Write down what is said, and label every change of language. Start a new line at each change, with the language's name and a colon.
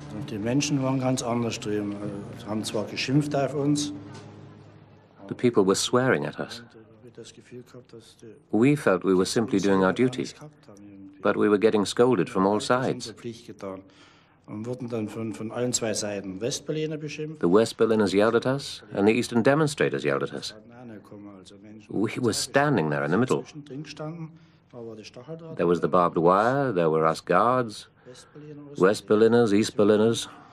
German: Die Menschen waren ganz anders drüben. Sie haben zwar geschimpft auf uns.
English: The people were swearing at us. We felt we were simply doing our duty, but we were getting scolded from all sides.
German: Und wurden dann von allen zwei Seiten Westberliner beschimpft.
English: The West Berliners yelled at us, and the Eastern demonstrators yelled at us. We were standing there in the middle. There was the barbed wire, there were us guards, West Berliners, East Berliners.